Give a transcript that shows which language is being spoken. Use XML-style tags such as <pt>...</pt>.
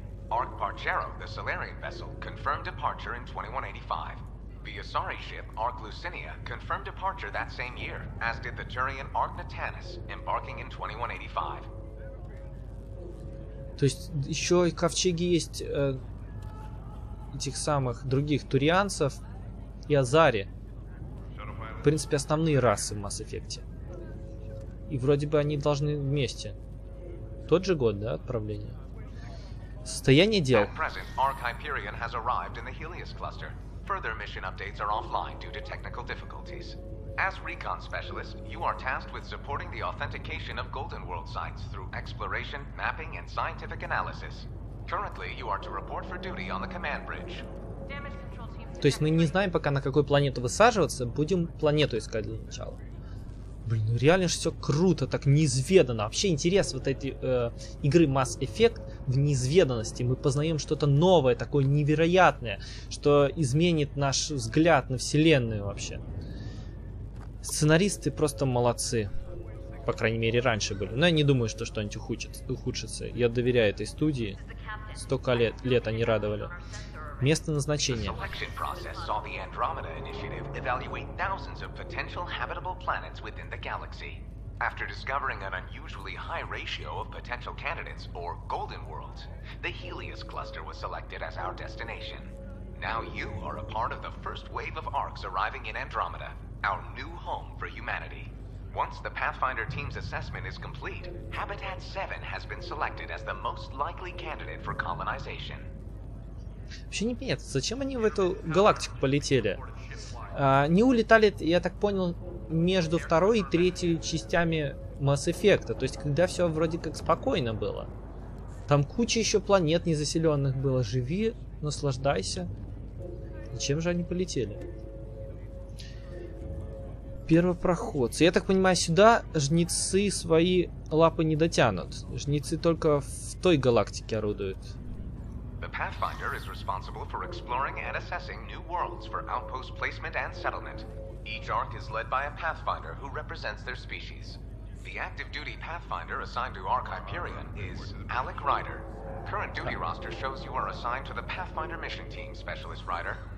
<en>Арк Парчеро, the Solarian vessel, confirmed departure in 2185. The Asari ship, Arc Lucinia, confirmed departure that same year, as did the Turian Arc Natanis, embarking in 2185.</en> <ru>То есть еще и ковчеги есть этих самых других турианцев и Азари. В принципе, основные расы в Mass Effect. И вроде бы они должны вместе. Тот же год, да, отправления? Состояние дел.</ru> <en>Present, Arc Hyperion has arrived in the Helios cluster. Further mission updates are offline due to technical difficulties. As recon specialist, you are tasked with supporting the authentication of Golden World sites through exploration, mapping, and scientific analysis. Currently, you are to report for duty on the command bridge.</en> <ru>То есть мы не знаем пока, на какую планету высаживаться, будем планету искать для начала. Блин, ну реально же все круто, так неизведанно. Вообще интерес вот этой игры Mass Effect в неизведанности. Мы познаем что-то новое, такое невероятное, что изменит наш взгляд на вселенную вообще. Сценаристы просто молодцы. По крайней мере, раньше были. Но я не думаю, что что-нибудь ухудшится. Я доверяю этой студии. Столько лет они радовали. Место назначения.</ru> <en>The selection process saw the Andromeda Initiative evaluate thousands of potential habitable planets within the galaxy. After discovering an unusually high ratio of potential candidates, or golden worlds, the Helios cluster was selected as our destination. Now you are a part of the first wave of ARCs arriving in Andromeda, our new home for humanity. Once the Pathfinder team's assessment is complete, Habitat 7 has been selected as the most likely candidate for colonization.</en> <ru>Вообще непонятно, зачем они в эту галактику полетели? Они улетали, я так понял, между второй и третьей частями Mass Effect. То есть, когда все вроде как спокойно было. Там куча еще планет незаселенных было. Живи, наслаждайся. Зачем же они полетели? Первопроходцы. Я так понимаю, сюда жнецы свои лапы не дотянут. Жнецы только в той галактике орудуют.</ru> <en>The Pathfinder is responsible for exploring and assessing new worlds for outpost placement and settlement. Each arc is led by a Pathfinder who represents their species. The active duty Pathfinder assigned to Ark Hyperion is Alec Ryder. Current duty roster shows you are assigned to the Pathfinder mission team, Specialist Ryder.</en>